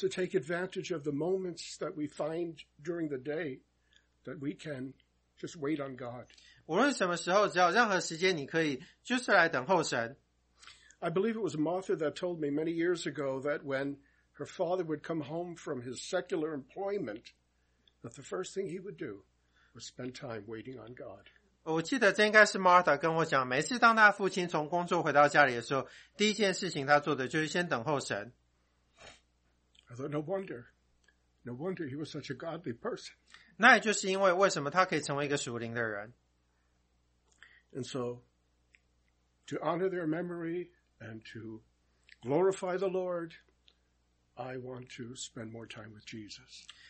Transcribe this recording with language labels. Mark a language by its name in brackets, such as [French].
[English] to take advantage of the moments that we find during the day that we can just wait on God. [Chinese] 无论什么时候，只要任何时间，你可以就是来等候神。 [English] I believe it was Martha that told me many years ago that when her father would come home from his secular employment, that the first thing he would do was spend time waiting on God. [Chinese] 我记得这应该是Martha跟我讲，每次当他父亲从工作回到家里的时候，第一件事情他做的就是先等候神。 [English] I thought, no wonder. No wonder he was such a godly person. [Chinese] 那也就是因为为什么他可以成为一个属灵的人。 [English] And so, to honor their memory and to glorify the Lord, I want to spend more time with Jesus.